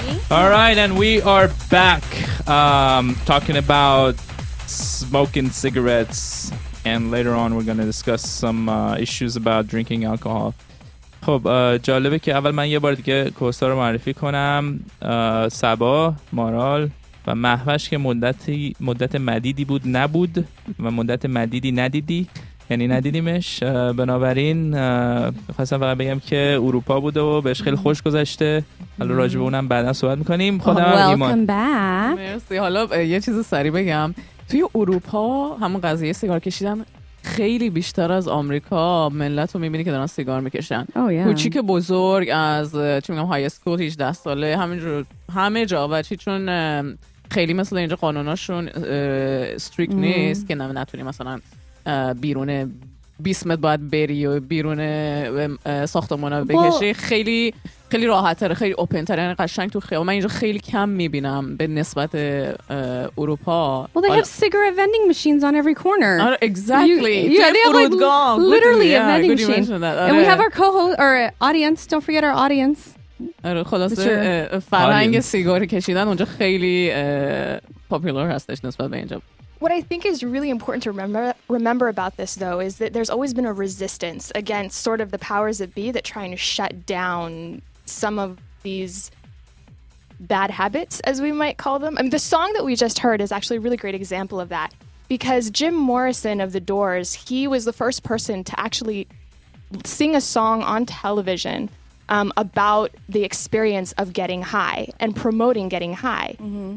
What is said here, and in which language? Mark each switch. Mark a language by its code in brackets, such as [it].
[en] Alright, and we are back talking about smoking cigarettes, and later on we're going to discuss some issues about drinking alcohol. [fa] خب جالبه که اول من یه بار دیگه کوستار رو معرفی کنم. سبا، مارال و مهوش که مدت مدیدی بود نبود و مدت مدیدی ندیدی، یعنی ندیدیمش، بنابراین خواستم فقط بگم که اروپا بود و بهش خیلی خوش گذشته. حالا راجع به اونم بعدا صحبت میکنیم. خودم هم ایمان، مرسی. حالا یه چیز سری بگم، توی اروپا همون قضیه سیگار کشیدن خیلی بیشتر از آمریکا، ملت رو میبینی که دارن سیگار میکشن، کوچیک بزرگ، از چی میگم های اسکول 18 ساله، همینجور همه جا. و چی؟ چون خیلی مثلا اینجا قانوناشون استریکت نیست که نتونی مثلا بیرون 20 متر باید بری و بیرون ساختمان ها بکشی. خیلی خیلی راحت تره، خیلی اوپن تره، یعنی قشنگ تو خیابون من اینجا خیلی کم میبینم به نسبت اروپا. [en] Well, they have cigarette vending machines on every corner. Exactly. They have like literally a vending machine. And we have our co-host, our audience. Don't forget our audience. [fa] خلاصه فرهنگ سیگار کشیدن اونجا خیلی پاپولار هستش نسبت به اینجا. [en] What I think is really important to remember about this, though, is that there's always been a resistance against sort of the powers that be that trying to shut down some of these bad habits, as we might call them. I mean, the song that we just heard is actually a really great example of that, because Jim Morrison of The Doors, he was the first person to actually sing a song on television about the experience of getting high and promoting getting high. Mm-hmm.